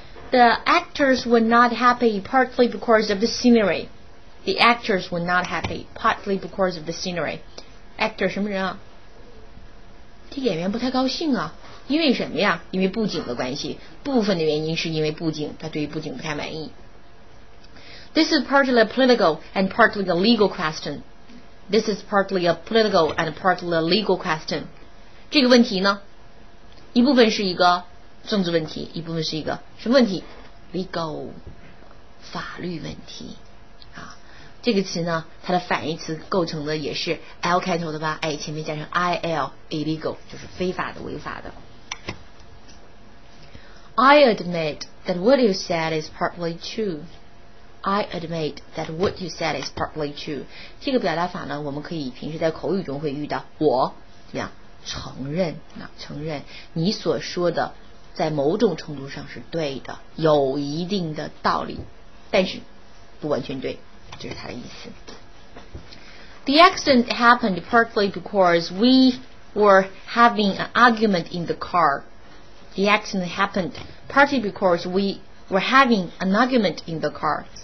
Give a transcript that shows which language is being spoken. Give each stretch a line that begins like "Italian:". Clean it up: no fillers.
English: The actors were not happy partly because of the scenery. The actors were not happy partly because of the scenery.
Chinese: Actor 什么人啊，这演员不太高兴啊，因为什么呀，因为布景的关系，部分的原因是因为布景，他对于布景不太满意。
English: This is partly a political and partly a legal question. This is partly a political and partly a legal question.
Chinese: 这个问题呢，一部分是一个政治问题，一部分是一个什么问题？ Legal， 法律问题。啊，这个词呢，它的反义词构成的也是 L 开头的吧？哎，前面加上 IL， illegal 就是非法的、违法的。
English: I admit that what you said is partly true. I admit that what you said is partly true.
Chinese: 这个表达法呢，我们可以平时在口语中会遇到，我怎样承认，那承认你所说的在某种程度上是对的，有一定的道理，但是不完全对，这是他的意思。
English: The accident happened partly because we were having an argument in the car. The accident happened partly because we were having an argument in the car.